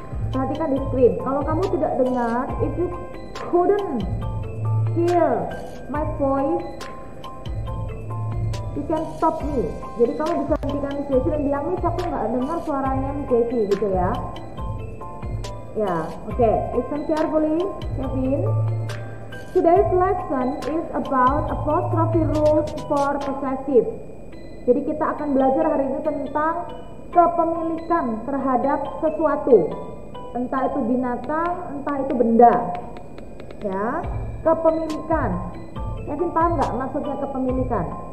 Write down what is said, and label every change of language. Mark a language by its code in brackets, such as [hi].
[id] Perhatikan di screen. Kalau kamu tidak dengar, [en] if you couldn't hear my voice, you can stop me. [id] Jadi kamu bisa hentikan Miss Jessie dan bilang, Miss, aku nggak dengar suaranya Miss Jessie, gitu ya. [en] Ya, oke. Okay. Listen carefully, Kevin. Today's lesson is about apostrophe rules for possessive. [id] Jadi kita akan belajar hari ini tentang kepemilikan terhadap sesuatu, entah itu binatang, entah itu benda, ya, kepemilikan. Kevin paham nggak maksudnya kepemilikan?